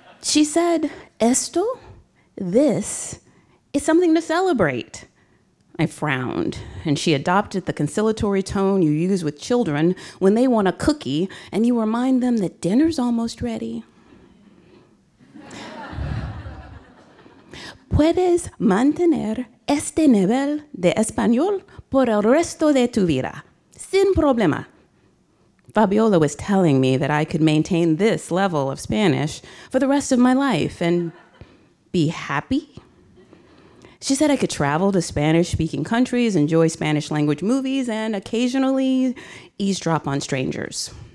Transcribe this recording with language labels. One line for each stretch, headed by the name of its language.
English: She said,
Spanish: "Esto,
English: this, is something to celebrate." I frowned, and she adopted the conciliatory tone you use with children when they want a cookie and you remind them that dinner's almost ready.
Spanish: "Puedes mantener este nivel de español por el resto de tu vida, sin problema."
English: Fabiola was telling me that I could maintain this level of Spanish for the rest of my life and be happy. She said I could travel to Spanish-speaking countries, enjoy Spanish language movies, and occasionally eavesdrop on strangers.